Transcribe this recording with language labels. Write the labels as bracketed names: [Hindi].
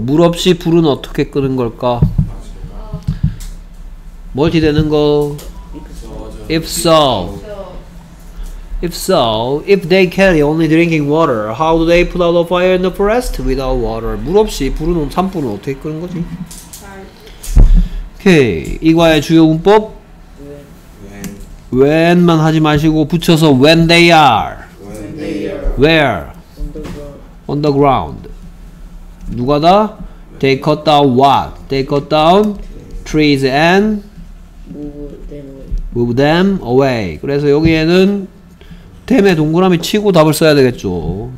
[Korean] 물 없이 불은 어떻게 끄는 걸까? 멀티 되는 거. [English] If they carry only drinking water, how do they put out the fire in the forest without water? [Korean] 물 없이 불은 산불은 어떻게 끄는 거지? 오케이. 이과의 주요 문법. When만 하지 마시고 붙여서 [English] when they are. Where? On the ground. [Korean] 누가다? [English] They cut down what? They cut down trees and move them away. [Korean] 그래서 여기에는 them에 동그라미 치고 답을 써야 되겠죠.